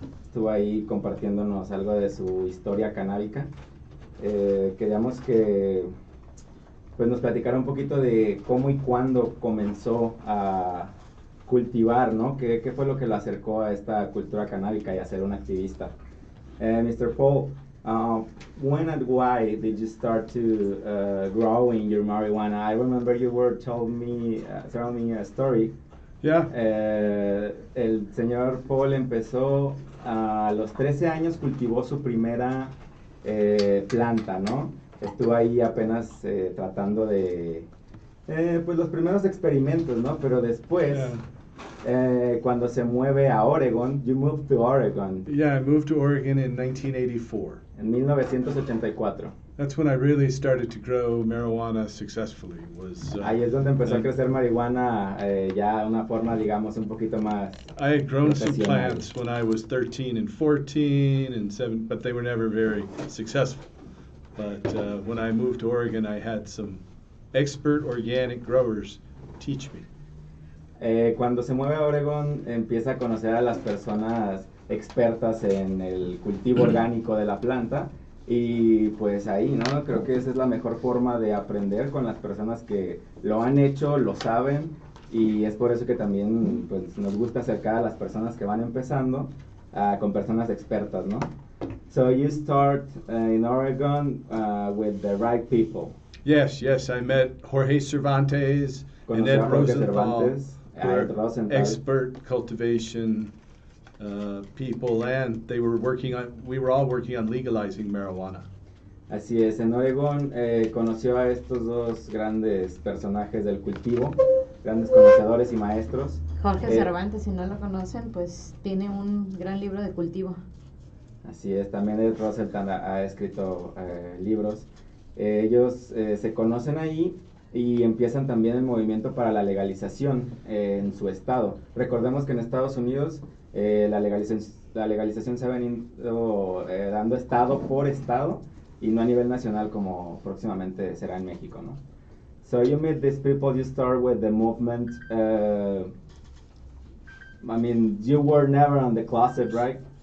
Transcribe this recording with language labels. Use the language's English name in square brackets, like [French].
[Spanish] Estuvo ahí compartiéndonos algo de su historia canábica. Queríamos que pues nos platicara un poquito de cómo y cuándo comenzó a cultivar, ¿no? ¿Qué fue lo que lo acercó a esta cultura canábica y a ser un activista? [English] Mr. Paul, when and why did you start to growing your marijuana? I remember you were telling me a story. Yeah. [Spanish] El señor Paul empezó a los 13 años, cultivó su primera planta, ¿no? Estuvo ahí apenas tratando de, pues, los primeros experimentos, ¿no? Pero después... Yeah. Cuando se mueve a Oregon, [English] you moved to Oregon. Yeah, I moved to Oregon in 1984. [Spanish] En 1984. [English] That's when I really started to grow marijuana successfully. Was [Spanish] ahí es donde empezó a crecer marihuana, ya una forma, digamos, un poquito más. [English] I had grown some plants when I was 13 and 14 and 7, but they were never very successful. But when I moved to Oregon, I had some expert organic growers teach me. [Spanish] Cuando se mueve a Oregon, empieza a conocer a las personas expertas en el cultivo orgánico de la planta y pues ahí, ¿no? Creo que esa es la mejor forma de aprender con las personas que lo han hecho, lo saben y es por eso que también pues, nos gusta acercar a las personas que van empezando con personas expertas, ¿no? [English] So you start in Oregon with the right people. Yes, yes, I met Jorge Cervantes. [Spanish] Conocí [English] and Ed Rosenthal, expert cultivation people, and they were working on, we were all working on legalizing marijuana. [Spanish] Así es, en Oregon conoció a estos dos grandes personajes del cultivo, grandes conocedores y maestros. Jorge Cervantes, si no lo conocen, pues tiene un gran libro de cultivo. Así es, también Ed Rosenthal ha escrito libros. Ellos se conocen ahí y empiezan también el movimiento para la legalización en su estado. Recordemos que en Estados Unidos la legalización se ha venido dando estado por estado y no a nivel nacional como próximamente será en México, ¿no? [English] So you meet these people, you start with the movement. I mean, you were never in the closet, right?